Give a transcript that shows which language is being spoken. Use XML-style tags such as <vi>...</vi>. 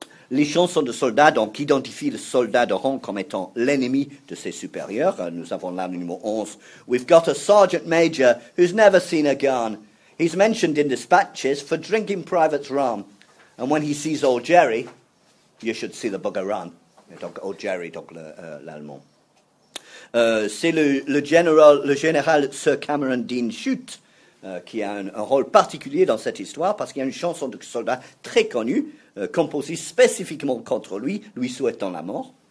<fr>Les chansons de soldats donc, identifient le soldat de rang comme étant l'ennemi de ses supérieurs. Nous avons là le numéro 11.</fr> <en>We've got a sergeant major who's never seen a gun. He's mentioned in dispatches for drinking private rum. And when he sees old Jerry, you should see the bugger run.</en> <fr>Donc old Jerry, donc l'allemand. C'est le général Sir Cameron Dean Chute qui a un rôle particulier dans cette histoire parce qu'il y a une chanson de soldat très connue composé spécifiquement contre lui, lui souhaitant la mort.</fr>